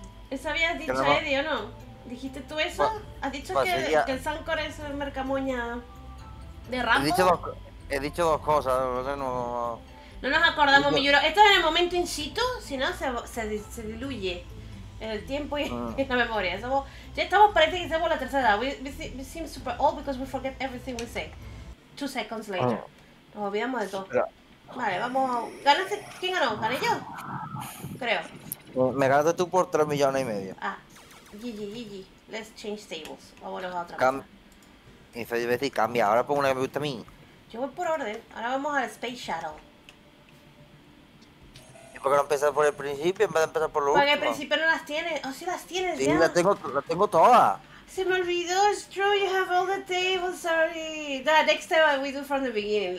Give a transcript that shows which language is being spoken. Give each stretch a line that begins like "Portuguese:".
Spanish: ¿Eso habías dicho, no, Eddie, o no? ¿Dijiste tú eso? ¿Has dicho que el Sankor es el mercamoña de Rambo? He dicho dos cosas, no nos acordamos, mi lloro. Esto es en el momento in situ, si no se diluye. El tiempo y la memoria. Parece que somos la tercera edad.
English: We seem super old because we forget everything we say. 2 seconds later.
Spanish: Nos olvidamos de todo. Vale, vamos. ¿Ganaste? ¿Quién ganó? ¿Gané yo? Creo. Me ganaste tú por 3 millones y medio. Ah. GG.
English: Let's change tables.
Spanish: Vámonos a otra. Cambia. Y Fede cambia. Ahora pongo una que me gusta a mí. Yo voy por orden. Ahora vamos al Space Shuttle. ¿Por qué no empezar por el principio en vez de empezar por lo último? Porque al principio no las tienes. Oh, sí las tienes, sí, ya. Sí, las tengo todas. Se me olvidó.
English: It's true, you have all the tables already. The next time we do from the beginning.